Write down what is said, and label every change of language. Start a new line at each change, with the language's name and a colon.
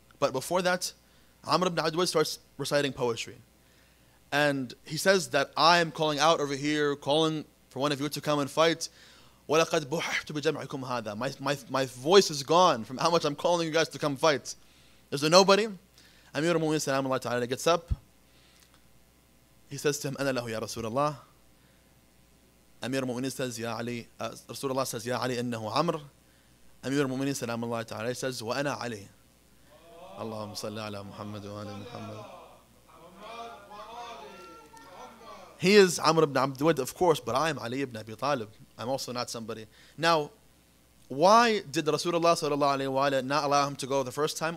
English: But before that, Amr ibn Adwa starts reciting poetry. And he says that I am calling out over here, calling for one of you to come and fight.
Arabic: وَلَقَدْ بُحْتُ بِجَمْعِكُمْ هَذَا.
English: My voice is gone from how much I'm calling you guys to come fight. Is there nobody? Amir al-Mu'minin salam Allah ta'ala gets up. He says to him,
Arabic: أَنَا لَهُ يَا رَسُولَ اللَّهِ.
English: Amir al-Mu'minin says,
Arabic: يَا عَلِي. Rasulullah says, يَا عَلِي إِنَّهُ عَمْرِ. Amir al-Mu'minin salam Allah ta'ala says, وَأَنَا عَلِي. Allahumma salli ala Muhammad wa ala Muhammad.
English: He is Amr ibn Abdwid, of course, but I am Ali ibn Abi Talib. I'm also not somebody. Now, why did Rasulullah sallallahu alayhi wa sallam not allow him to go the first time?